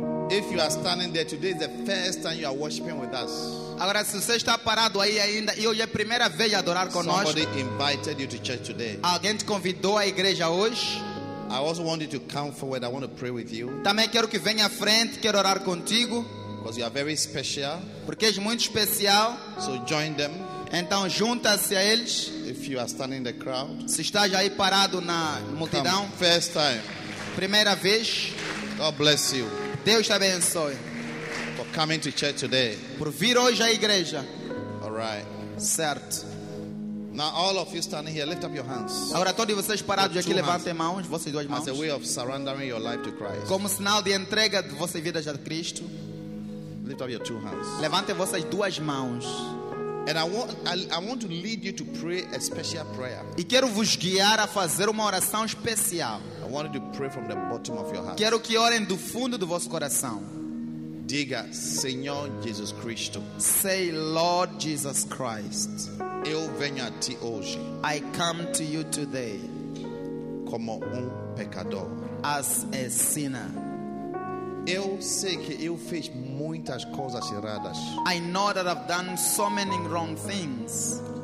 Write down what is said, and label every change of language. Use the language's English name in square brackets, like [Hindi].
[English] Today is the first time you are worshiping with us. [Portuguese] Agora, se você está parado aí ainda e hoje é a primeira vez a adorar conosco. [English] Somebody invited you to church today. [Portuguese] Alguém te convidou à igreja hoje. [English] I also want you to come forward. I want to pray with you. [Portuguese] Também quero que venha à frente, quero orar contigo. [English] Because you are very special. [Portuguese] Porque és muito especial. [English] So join them. [Portuguese] Então junta-se a eles. [English] If you are standing in the crowd. [Portuguese] Se estás aí parado na multidão. [English] Come first time. [Portuguese] Primeira vez. [English] God bless you. [Portuguese] Deus te abençoe. [English] Coming to church today. [Portuguese] Por vir hoje à igreja. [English] All right. [Portuguese] Certo. [English] Now all of you standing here, lift up your hands. [Portuguese] Agora todos vocês parados aqui, levantem mãos, vocês duas mãos. [English] As a way of surrendering your life to Christ. [Portuguese] Como sinal de entrega de vossa vida a Cristo. [English] Lift up your two hands. [Portuguese] Levantem vossas duas mãos. [English] And I want to lead you to pray a special prayer. [Portuguese] E quero vos guiar a fazer uma oração especial. [English] I want you to pray from the bottom of your heart. [Portuguese] Quero que orem do fundo do vosso coração. Diga, Senhor Jesus Cristo. [English] Say, Lord Jesus Christ. [Portuguese] Eu venho a ti hoje. [English] I come to you today. [Portuguese] Como pecador. [English] As a sinner. [Portuguese] Eu sei que eu fiz muitas coisas erradas. [English] I know that I've done so many wrong things.